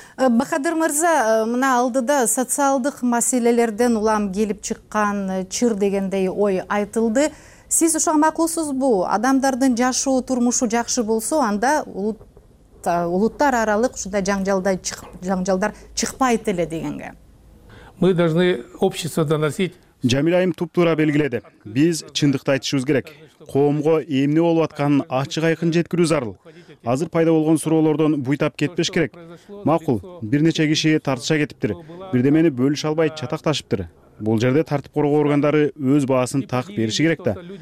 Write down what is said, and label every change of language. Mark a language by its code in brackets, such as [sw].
[ky] Бахадыр мырза, мына алдыда социалдык маселелерден улам келип чыккан чыр дегендей ой айтылды. Сиз ушуга макулсузбу? Адамдардын жашоо турмушу жакшы болсо, анда улуттар аралык ушундай жаңжалдар чыкпайт эле дегенге. [ru] Мы должны общество доносить. [ky] Жамиль айым туп-туура белгиледи. Биз чындыкты айтышыбыз керек. Коомго эмне болуп атканын ачык айкын жеткирүү зарыл. Азыр пайда болгон суроолордон буйтап кетпеш керек. Макул, бир нече киши тартыша кетиптир. Бирдемени бөлүшө албай чатакташыптыр. Бул жерде тартип коргоо органдары өз баасын так бериши керек да.